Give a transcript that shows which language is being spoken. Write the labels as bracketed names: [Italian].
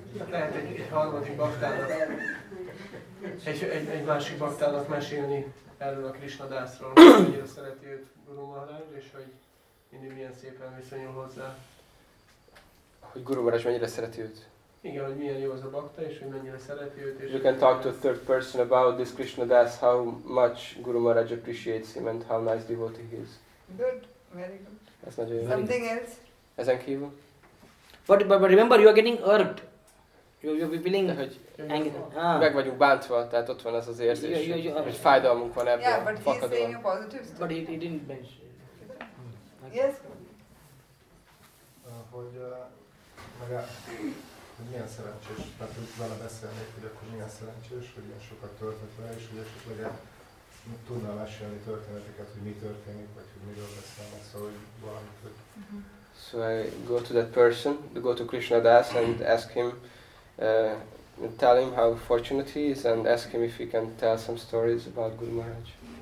[Hungarian] Lehet egy harmadik baktának, egy másik baktának mesélni erről a Krishna Dasról, hogy ő szereti őt Guru Maharaj, és hogy mindig milyen szépen viszonyul hozzá. Hogy Guru Maharaj mennyire szereti őt. Igen, hogy milyen jó az a bakta, és hogy mennyire szereti őt. És [English] you can talk to a third person about this Krishna Das, how much Guru Maharaj appreciates him and how nice devotee he is. Good, very good. [Hungarian] Nagyon jó. [English] Something else? [Hungarian] Ezen kívül? [English] But remember, you are getting irked. You are feeling angry. [Hungarian] Meg vagyunk bántva, tehát ott van ez az érzés, hogy fájdalmunk van ebből. [English] Yeah, but he's saying a positive story. But he didn't mention. Yes. [Hungarian] Hogy milyen szerencsés, tehát hogy vele beszélnék, hogy akkor milyen szerencsés, hogy ilyen sokat töltött vele, és hogy esetleg tudnál mesélni történeteket, hogy mi történik, vagy hogy miről beszélnek, szóval hogy valamit, hogy... [English] So I go to that person, go to Krishna Das and ask him, tell him how fortunate he is and ask him if he can tell some stories about Guru Maharaj.